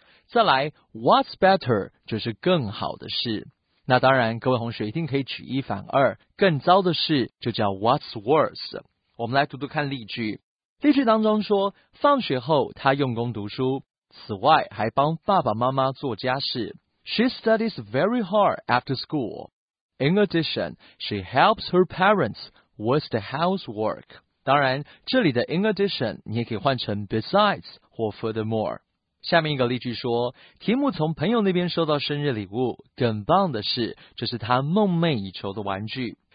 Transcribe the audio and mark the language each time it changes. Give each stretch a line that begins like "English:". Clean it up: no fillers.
Chinese: 再来
English: what's better
Chinese: 就是更好的事，那当然各位同学一定可以举一反二，更糟的事就叫
English: what's worse。
Chinese: 我们来读读看例句。例句当中说，放学后他用功读书，此外还帮爸爸妈妈做家事。
English: She studies very hard after school. In addition, she helps her parents with the housework.
Chinese: 当然，这里的 in addition 你也可以换成 besides 或 furthermore。下面一个例句说，提姆从朋友那边收到生日礼物，更棒的是，这是他梦寐以求的玩具。